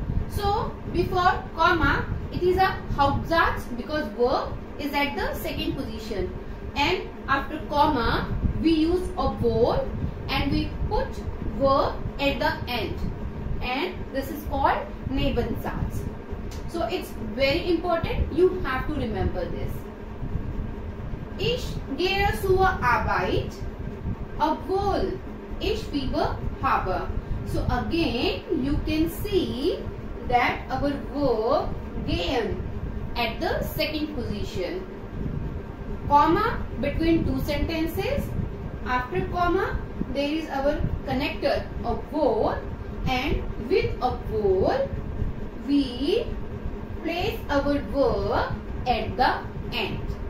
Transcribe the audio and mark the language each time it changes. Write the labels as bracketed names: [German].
[English] So before comma, it is a Hauptsatz because verb is at the second position, and after comma we use obwohl and we put verb at the end, and this is called Nebensatz. So it's very important, you have to remember this. [German] Ich gehe zur Arbeit, obwohl ich Fieber habe. [English] So again you can see that our verb gehen at the second position, comma between two sentences, after comma there is our connector obwohl, and with obwohl we place our verb at the end.